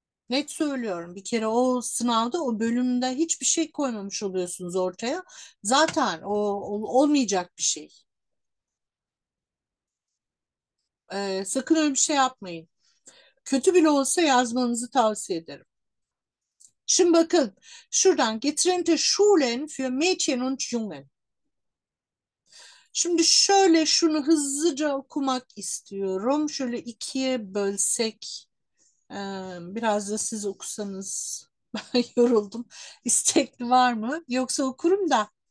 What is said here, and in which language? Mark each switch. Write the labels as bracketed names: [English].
[Turkish] Net söylüyorum. Bir kere o sınavda, o bölümde hiçbir şey koymamış oluyorsunuz ortaya. Zaten o olmayacak bir şey. Sakın öyle bir şey yapmayın. Kötü bile olsa yazmanızı tavsiye ederim. Şimdi bakın. Şuradan. [German] Getrennte Schulen für Mädchen und Jungen. [Turkish] Şimdi şöyle şunu hızlıca okumak istiyorum. Şöyle ikiye bölsek, biraz da siz okusanız. Ben yoruldum. İstekli var mı? Yoksa okurum da.